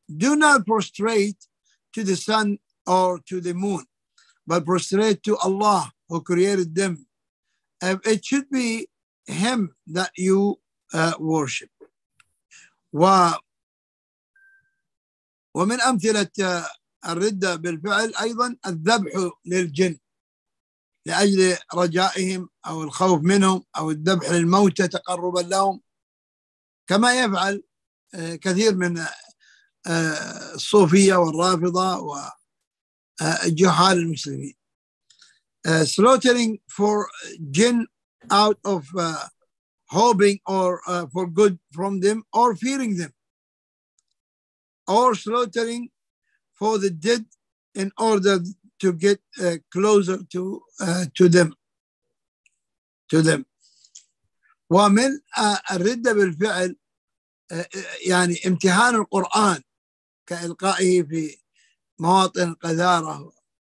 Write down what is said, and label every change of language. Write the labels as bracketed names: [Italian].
[English] Do not prostrate to the sun or to the moon, but prostrate to Allah who created them. It should be Him that you worship. [Arabic] ومن أمثلة الردة بالفعل أيضا الذبح للجن لأجل رجائهم أو الخوف منهم أو الذبح للموتى تقربا لهم كما يفعل كثير من الصوفية والرافضة وجهال المسلمين. [English] Slaughtering for jinn out of hoping or for good from them or fearing them, or slaughtering for the dead in order to get closer to them. [Arabic] ومن الردة بالفعل يعني امتحان القرآن كإلقائه في مواطن القذارة.